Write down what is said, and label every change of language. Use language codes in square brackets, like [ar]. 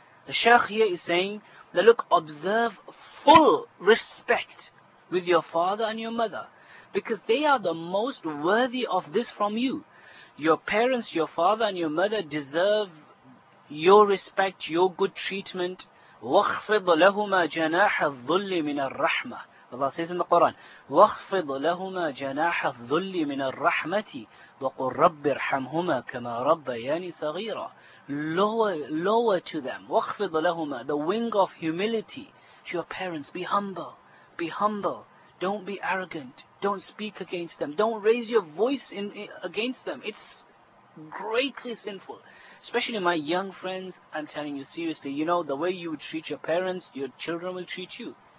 [en] The Shaykh here is saying that look, observe full respect with your father and your mother, because they are the most worthy of this from you. Your parents, your father and your mother deserve your respect, your good treatment. [ar] وَخْفِضْ لَهُمَا جَنَاحَ الظُّلِّ مِنَ الرَّحْمَةِ. [en] Allah says in the Quran, [ar] وَخْفِضْ لَهُمَا جَنَاحَ الظُّلِّ مِنَ الرَّحْمَةِ وَقُلْ رَبِّ ارْحَمْهُمَا كَمَا رَبَّيَانِي صَغِيرًا. [en] Lower to them. [ar] وَخْفِضْ لَهُمَا, [en] the wing of humility to your parents. Be humble. Be humble. Don't be arrogant. Don't speak against them. Don't raise your voice in against them. It's greatly sinful. Especially my young friends, I'm telling you seriously, you know, the way you treat your parents, your children will treat you.